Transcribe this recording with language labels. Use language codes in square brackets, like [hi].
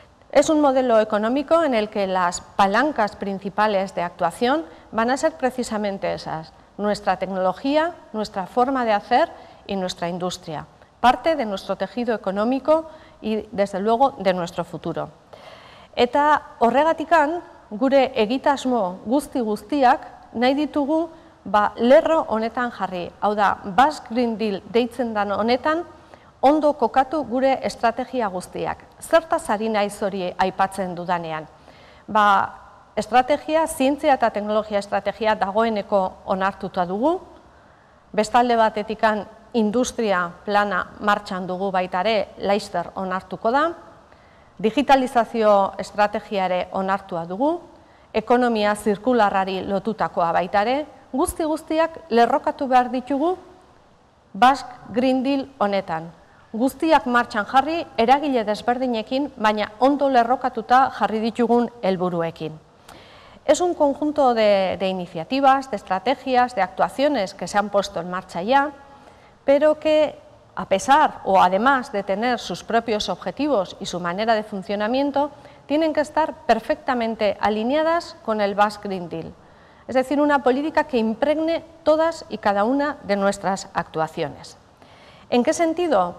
[es] Es un modelo económico en el que las palancas principales de actuación van a ser precisamente esas, nuestra tecnología, nuestra forma de hacer y nuestra industria, parte de nuestro tejido económico y, desde luego, de nuestro futuro. [eu] Eta horregatikan, gure egitasmo guzti-guztiak nahi ditugu lerro honetan jarri, hau da, Basque Green Deal deitzen den honetan, ondo kokatu gure estrategia guztiak. Zertaz ari naiz hori aipatzen dudanean? Estrategia, zientzia eta teknologia estrategia dagoeneko onartuta dugu, bestalde batetikan industria plana martxan dugu baitare, laister onartuko da, digitalizazio estrategiare onartua dugu, ekonomia zirkularrari lotutakoa baita ere, guztiak lerrokatu behar ditugu Basque Green Deal honetan. Guztiak martxan jarri, eragile desberdinekin, baina ondo lerrokatuta jarri ditugun helburuekin. [es] Es un conjunto de iniciativas, de estrategias, de actuaciones que se han puesto en marcha ya, pero que a pesar o además de tener sus propios objetivos y su manera de funcionamiento, tienen que estar perfectamente alineadas con el Basque Green Deal, es decir, una política que impregne todas y cada una de nuestras actuaciones. ¿En qué sentido?